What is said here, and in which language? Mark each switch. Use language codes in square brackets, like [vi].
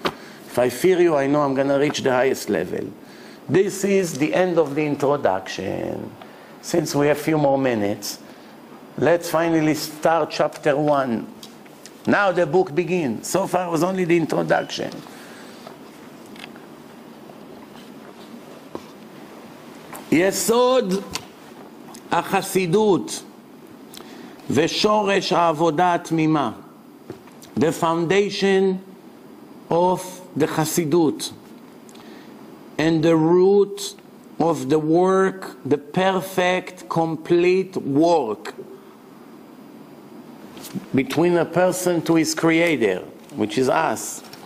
[en] If I fear you, I know I'm going to reach the highest level. This is the end of the introduction. Since we have a few more minutes, let's finally start chapter 1. Now the book begins. So far it was only the introduction. [he] יסוד החסידות ושורש העבודה התמימה. [en] The foundation of the Hasidut and the root of the work, the perfect, complete work between a person to his creator, which is us.